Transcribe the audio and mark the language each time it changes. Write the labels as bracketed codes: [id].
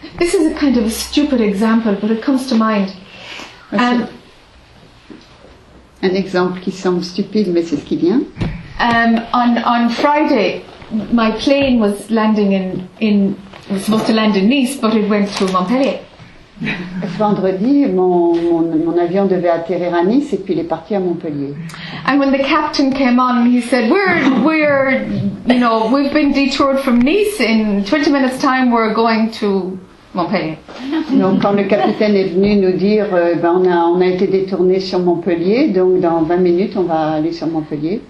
[en] This is a kind of a stupid example, but it comes to mind. [fr] Un exemple qui semble stupide, mais c'est ce qui vient. [en] On Friday, my plane was landing in was supposed to land in Nice, but it went through Montpellier. [fr] Vendredi, mon avion devait atterrir à Nice et puis il est parti à Montpellier. [en] And when the captain came on, he said, we've been detoured from Nice. In 20 minutes time, we're going to Montpellier. [fr] Donc quand le capitaine est venu nous dire, on a été détourné sur Montpellier, donc dans 20 minutes, on va aller sur Montpellier.